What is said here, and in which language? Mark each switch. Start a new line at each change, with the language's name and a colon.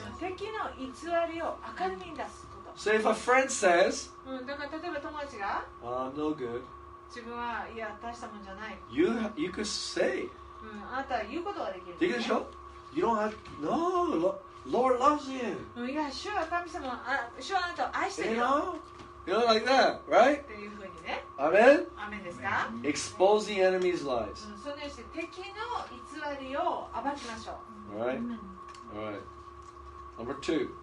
Japanese: 敵の偽りを明るみに出すこと。
English: So if a friend says,
Japanese: だから例えば友達が、
English: I'm no good.
Japanese: 自分はいや大したもんじゃない。
English: You could say,
Japanese: あなたは言うことができる、ね。できるでしょ
English: ？You don't have no Lord loves you.
Japanese: いや、主は神様、主はあなたを愛してるよ。
English: You know, like that, right? Amen?
Japanese: Amen ですか?
English: Expose the enemy's lies.
Japanese: そのようにして敵の偽りを暴きましょう。
English: Alright? Alright. Number two.